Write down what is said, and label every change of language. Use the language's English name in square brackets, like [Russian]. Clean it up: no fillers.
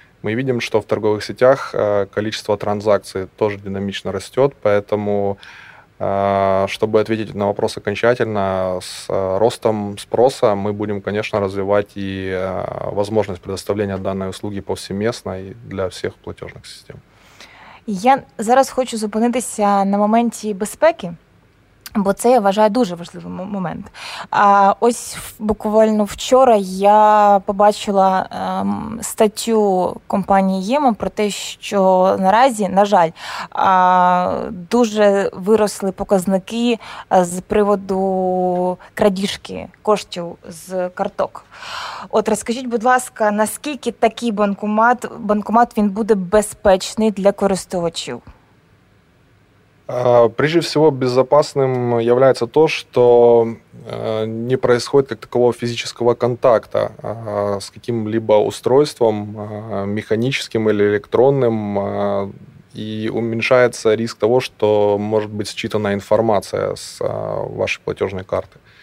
[Russian] Мы видим, что в торговых сетях количество транзакций тоже динамично растет, поэтому, чтобы ответить на вопрос окончательно, с ростом спроса мы будем, конечно, развивать и возможность предоставления данной услуги повсеместно и для всех платежных систем. [Ukrainian] Я зараз хочу зупинитися на моменті безпеки. Бо це, я вважаю, дуже важливий момент. Ось буквально вчора я побачила статтю компанії Ємо про те, що наразі, на жаль, дуже виросли показники з приводу крадіжки коштів з карток. От розкажіть, будь ласка, наскільки такий банкомат він буде безпечний для користувачів? [Russian] Прежде всего, безопасным является то, что не происходит как такового физического контакта с каким-либо устройством, механическим или электронным, и уменьшается риск того, что может быть считана информация с вашей платежной карты.